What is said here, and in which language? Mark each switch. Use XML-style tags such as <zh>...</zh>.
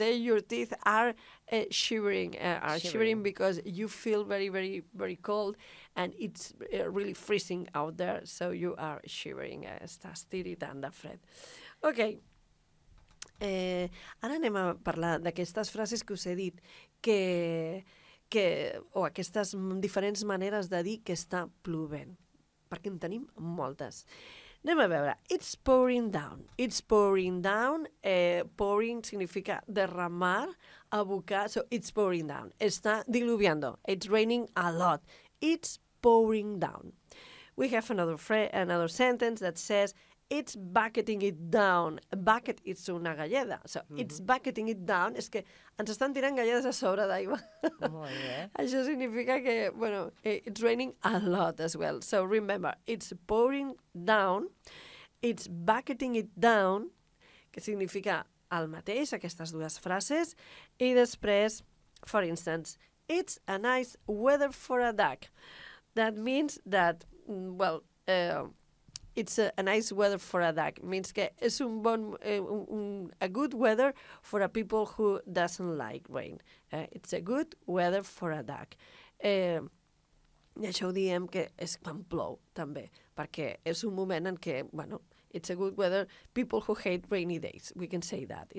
<en>Your teeth are shivering because you feel very, very, very cold, and it's really freezing out there. So you are shivering.</en> <ca>Estás tiritant de fred.</ca> <en>Okay.</en> <ca>Ara anem a parlar d'aquestes frases que us he dit que aquestes diferents maneres de dir que està plovent. Perquè en tenim moltes. Anem a veure.</ca> <en>It's pouring down. It's pouring down. Pouring</en> <ca>significa derramar, abocar.</ca> <en>So it's pouring down.</en> <es>Está diluviando.</es> <en>It's raining a lot. It's pouring down. We have another sentence that says, it's bucketing it down. Bucket is</en> <ca>una galleda.</ca> <en>So it's bucketing it down.</en> <ca>És que ens estan tirant galledes a sobre d'aigua. Això significa que, bueno,</ca> <en>it's raining a lot as well. So remember, it's pouring down. It's bucketing it down,</en> <ca>que significa el mateix, aquestes dues frases. I després,</ca> <en>for instance, it's a nice weather for a duck. That means that, well, it's a nice weather for a duck. Means</en> <ca>que es un bon,</ca> <en>a good weather for a people who doesn't like rain. It's a good weather for a duck.</en> <ca>I això ho diem que és quan plou, també, perquè és un moment en què, bueno,</ca> <en>it's a good weather, people who hate rainy days, we can say that.</en>